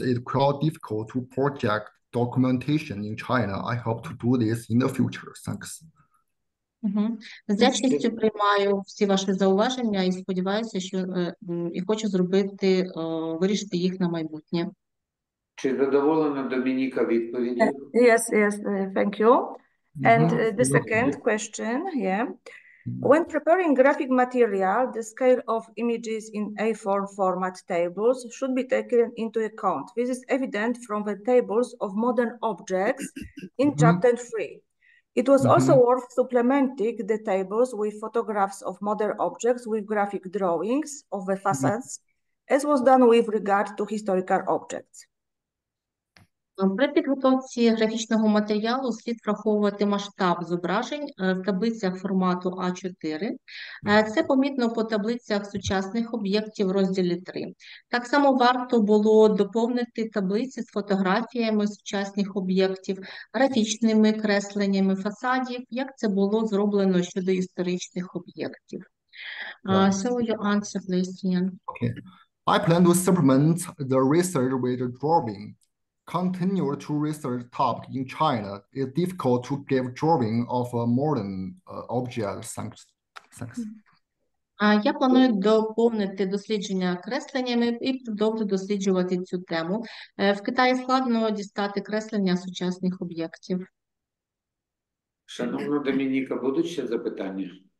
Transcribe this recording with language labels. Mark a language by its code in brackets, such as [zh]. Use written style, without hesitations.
[en] It's quite difficult to project documentation in China. I hope to do this in the future. Thanks. Угу. [uk] З вдячністю приймаю всі ваші зауваження і сподіваюся, що і хочу зробити, вирішити їх на майбутнє. Чи задоволена Домініка відповіддю? [en] Yes, thank you. And the second question, yeah. When preparing graphic material, the scale of images in A4 format tables should be taken into account. This is evident from the tables of modern objects in chapter 3. It was also worth supplementing the tables with photographs of modern objects with graphic drawings of the facades, as was done with regard to historical objects. [uk] При підготовці графічного матеріалу слід враховувати масштаб зображень в таблицях формату А4. Це помітно по таблицях сучасних об'єктів розділі 3. Так само варто було доповнити таблиці з фотографіями сучасних об'єктів, графічними кресленнями фасадів, як це було зроблено щодо історичних об'єктів. [en] So you answer, please, Ian. Okay. I plan to supplement the research with the drawing. Continue to research top in China. It's difficult to give drawing of a modern object. Thanks. [uk] Я планую доповнити дослідження кресленнями і продовжу досліджувати цю тему. В Китаї складно дістати креслення сучасних об'єктів. Шановна Домініка, будуть ще запитання?